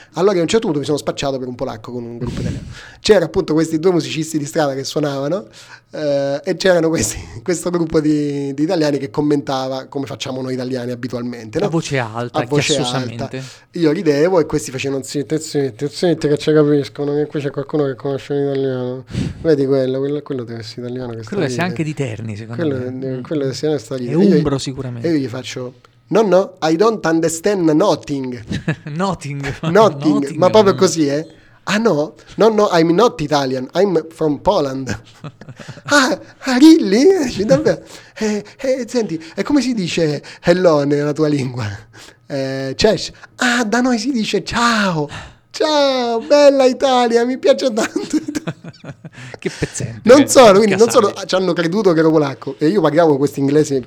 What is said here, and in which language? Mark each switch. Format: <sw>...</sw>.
<it>Allora a un certo punto mi sono spacciato per un polacco con un gruppo italiano. C'erano appunto questi due musicisti di strada che suonavano e c'erano questo gruppo di italiani che commentava come facciamo noi italiani abitualmente. No? A voce alta, chiassosamente. Io ridevo e questi facevano zitti che ci capiscono, che qui c'è qualcuno che conosce l'italiano. Vedi quello deve essere italiano. Che quello deve essere anche di Terni, secondo me. Quello deve essere italiano. È umbro, sicuramente. E io gli faccio...</it> <en>No, no, I don't understand nothing. Nothing,</en> <it>ma proprio così, eh? Ah, no?</it> <en>No, no, I'm not Italian, I'm from Poland. Ah, really?</en> <it>Davvero? Senti, e come si dice hello nella tua lingua? Ah, da noi si dice ciao. Ciao, bella Italia, mi piace tanto. Che pezzente. Non solo, quindi non solo ci hanno creduto che ero polacco e io parlavo questo inglese.</it>